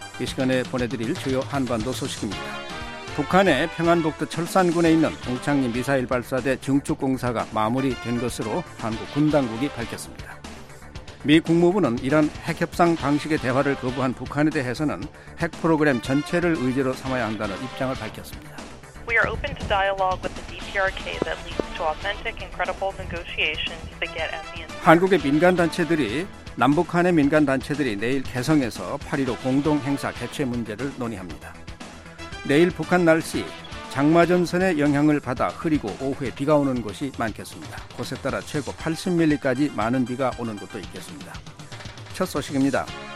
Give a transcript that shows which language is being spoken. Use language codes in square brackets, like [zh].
[ko] 이 시간에 보내드릴 주요 한반도 소식입니다. 북한의 평안북도 철산군에 있는 동창리 미사일 발사대 증축공사가 마무리된 것으로 한국 군당국이 밝혔습니다. 미 국무부는 이런 핵협상 방식의 대화를 거부한 북한에 대해서는 핵 프로그램 전체를 의제로 삼아야 한다는 입장을 밝혔습니다. [en] We are open to dialogue with the DPRK that leads to authentic and credible negotiations to get at the end. [ko] 한국의 민간단체들이 남북한의 민간단체들이 내일 개성에서 8.15 공동행사 개최 문제를 논의합니다. 내일 북한 날씨, 장마전선의 영향을 받아 흐리고 오후에 비가 오는 곳이 많겠습니다. 곳에 따라 최고 80mm까지 많은 비가 오는 곳도 있겠습니다. 첫 소식입니다.